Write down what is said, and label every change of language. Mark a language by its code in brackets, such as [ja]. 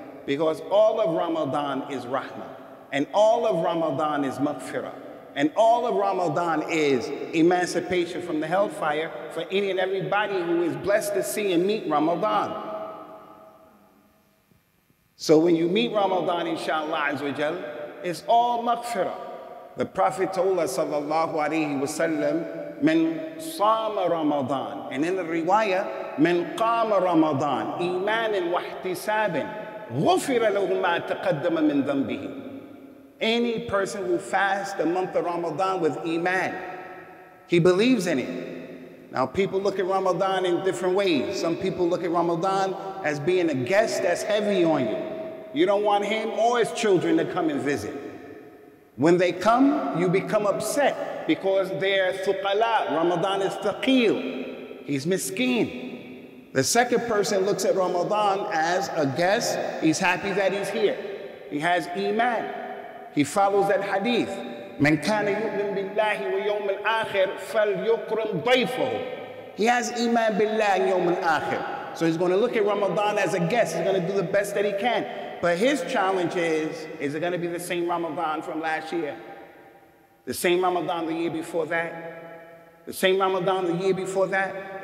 [en] Because all of Ramadan is rahmah, and all of Ramadan is maghfirah, and all of Ramadan is emancipation from the hellfire for any and everybody who is blessed to see and meet Ramadan. So when you meet Ramadan, inshallah, azawajal, it's all maghfirah. The Prophet told us, sallallahu alayhi wa sallam, من صام رمضان. [ar] And in the riwayah, من قام رمضان إيمان واحتساب غفر له ما تقدم من ذنبه. [en] Any person who fasts the month of Ramadan with iman, he believes in it. Now people look at Ramadan in different ways. Some people look at Ramadan as being a guest that's heavy on you. You don't want him or his children to come and visit. When they come, you become upset because they're thuqala. Ramadan is thaqeel. He's miskeen. The second person looks at Ramadan as a guest. He's happy that he's here. He has iman. He follows that hadith. [ar] من كان يؤمن بالله ويوم الآخر فليكرم ضيفه. [en] He has iman بالله يوم الآخر. So he's going to look at Ramadan as a guest. He's going to do the best that he can. But his challenge is it going to be the same Ramadan from last year? The same Ramadan the year before that? The same Ramadan the year before that?